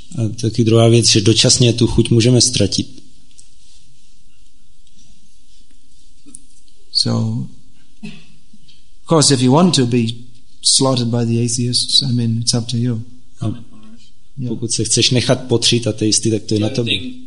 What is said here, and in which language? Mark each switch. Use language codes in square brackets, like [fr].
[cs] A taky druhá věc, že dočasně tu chuť můžeme ztratit. [en] So, of course, if you want to be slaughtered by the atheists, I mean, it's up to you. [cs] Pokud se chceš nechat potřít ateisty, tak to je na tobě.